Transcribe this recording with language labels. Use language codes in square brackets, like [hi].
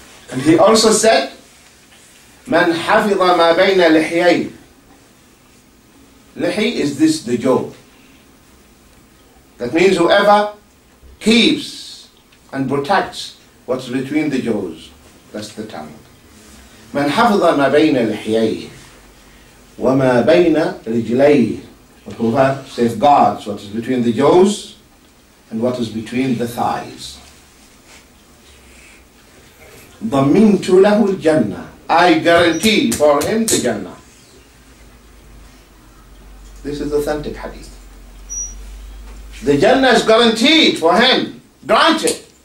[en] And he also said, [ar] Man hafidha ma bayna lihiyay. [en] Lihi is this, the jaw. That means whoever keeps and protects what's between the jaws, that's the tongue. [ar] من حفظ ما بين الحيي وما بين رجلي. [en] Whoever safeguards what is between the jaws and what is between the thighs. [ar] ضمنت له الجنة. [en] I guarantee for him the Jannah. This is authentic hadith. The Jannah is guaranteed for him, granted.